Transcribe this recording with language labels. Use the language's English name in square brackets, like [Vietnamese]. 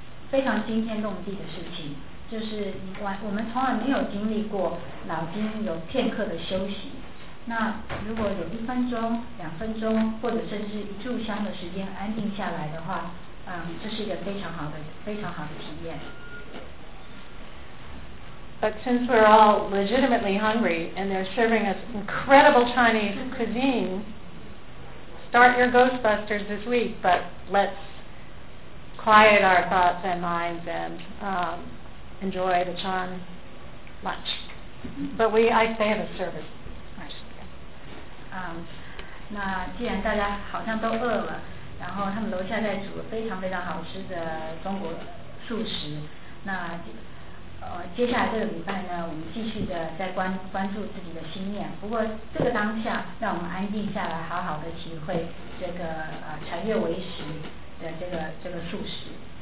[Chinese] 非常惊天动地的事情，就是我们从来没有经历过脑筋有片刻的休息，那如果有一分钟两分钟或者甚至一炷香的时间安定下来的话，这是一个非常好的非常好的体验。 [English] But since we're all legitimately hungry and they're serving us incredible Chinese cuisine, start your Ghostbusters this week, but let's quiet our thoughts and minds and enjoy the Chan lunch. But they have a service. [Chinese] 那既然大家好像都饿了，然后他们楼下在煮非常非常好吃的中国素食，那接下来这个礼拜呢，我们继续的在关注自己的心念。不过这个当下，让我们安静下来，好好的体会这个禅悦为食的这个素食。